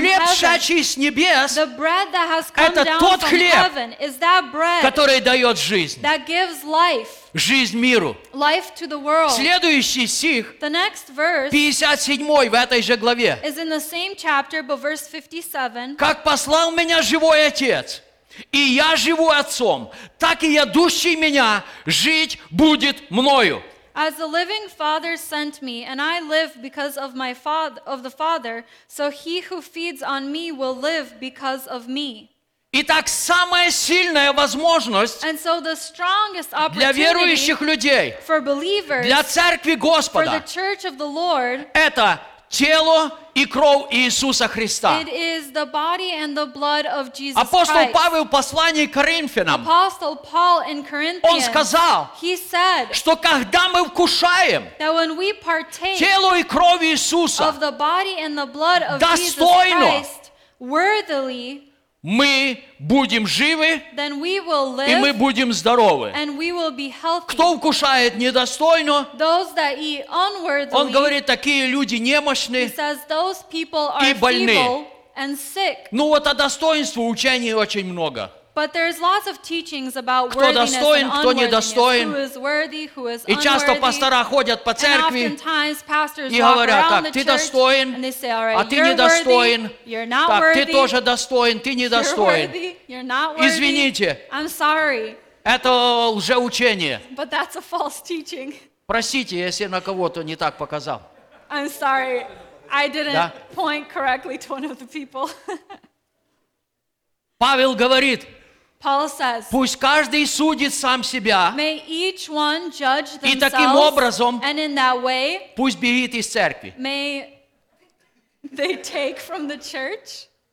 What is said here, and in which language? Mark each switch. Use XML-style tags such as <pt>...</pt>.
<ru>хлеб, сшедший с небес,</ru> <en>the bread that has come</en> <ru>это</ru> <en>down</en> <ru>тот хлеб,</ru> <en>from heaven, is that bread,</en> <ru>который дает жизнь.</ru> <en>That gives life,</en> <ru>жизнь миру.</ru> <en>Life to the world.</en> <ru>Следующий стих,</ru> <en>the next verse,</en> <ru>57 в этой же главе,</ru> <en>is in the same chapter, but verse 57,</en> <ru>как послал меня живой Отец, и я живу Отцом, так и ядущий меня жить будет мною.</ru> <en>As the living Father sent me, and I live because of my Father, of the Father, so he who feeds on me will live because of me.</en> <ru>Итак, самая сильная возможность</ru> <en>and so the strongest opportunity</en> <ru>для верующих людей,</ru> <en>for believers,</en> <ru>для Церкви Господа,</ru> <en>for the Church of the Lord,</en> <ru>это тело и кровь Иисуса Христа.</ru> <en>It is the body and the blood of Jesus</en> <ru>Апостол Павел в послании к Коринфянам</ru> <en>Apostle Paul in Corinthians,</en> <ru>он сказал,</ru> <en>he said,</en> <ru>что когда мы вкушаем</ru> <en>that when we partake</en> <ru>тело и кровь Иисуса</ru> <en>of the body and the blood of</en> <ru>достойно,</ru> <en>Jesus Christ, worthily,</en> <ru>мы будем живы</ru> <en>then we will live,</en> <ru>и мы будем здоровы.</ru> <en>And we will be healthy.</en> <ru>Кто вкушает недостойно,</ru> <en>those that eat unworthily,</en> <ru>он говорит, такие люди немощны</ru> <en>he says, those people are</en> <ru>и больны.</ru> <en>Feeble and sick.</en> <ru>Ну вот о достоинстве учений очень много.</ru> <en>But there's lots of teachings about</en> <ru>кто достоин, кто недостоин.</ru> <en>Who is worthy, who is unworthy.</en> <ru>И часто пастора ходят по церкви и говорят, так, ты достоин, а ты недостоин. Так, ты тоже достоин, ты недостоин. Извините,</ru> <en>I'm sorry.</en> <ru>Это лжеучение.</ru> <en>But that's a false teaching.</en> <ru>Простите, если на кого-то не так показал.</ru> <en>I'm sorry, I didn't point correctly to one of the people.</en> <ru>Павел говорит,</ru> <en>Paul says,</en> <ru>пусть каждый судит сам себя,</ru> <en>may each one judge themselves,</en> <ru>и таким образом,</ru> <en>and in that way,</en> <ru>пусть бегит из церкви.</ru> <en>May they take from the church,</en>